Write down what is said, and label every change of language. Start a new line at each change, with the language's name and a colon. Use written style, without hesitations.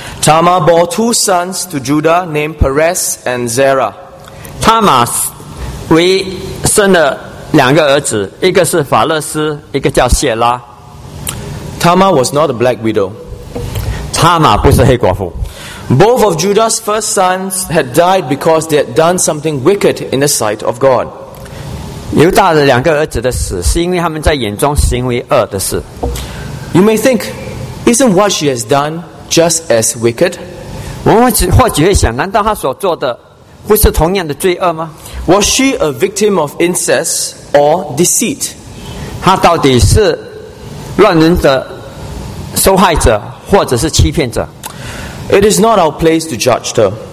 English: Tamar bore 2 sons to Judah named Perez and Zerah.
Chinese: 他玛为生了两个儿子，一个是法勒斯，一个叫谢拉。
English: Tamar was not a black widow.
Chinese: Tamar 不是黑寡妇。
English: Both of Judah's first sons had died because they had done something wicked in the sight of God.
Chinese: 犹大的两个儿子的死是因为他们在眼中行为恶的事。
English: You may think, isn't what she has done just as wicked?
Chinese: 我们或许会想，难道她所做的不是同样的罪恶吗？
English: Was she a victim of incest or deceit?
Chinese: 她到底是乱伦的受害者或者是欺骗者。
English: It is not our place to judge her.